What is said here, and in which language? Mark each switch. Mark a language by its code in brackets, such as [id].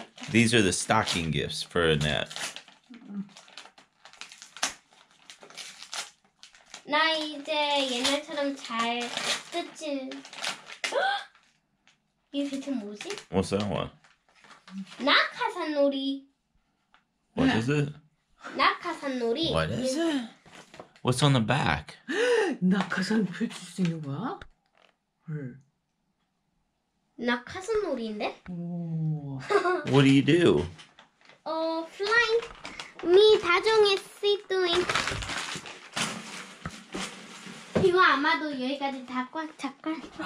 [en] These are the stocking gifts for Annette. [ko] 나 이제 옛날처럼 잘 뜯지. 이 비트 뭐지? [en] What's that one? [ko] 낙하산놀이. [en] What is it? [ko] 낙하산놀이. [en] What is it? What's on the back? [ko] 낙하산 펼칠 수 있는 거야? 헐. 낙하산놀이인데? [en] What do you do? Flying. Me 다정의 sea doing. [ko] 이거 아마도 여기까지 다 꽉 잡을.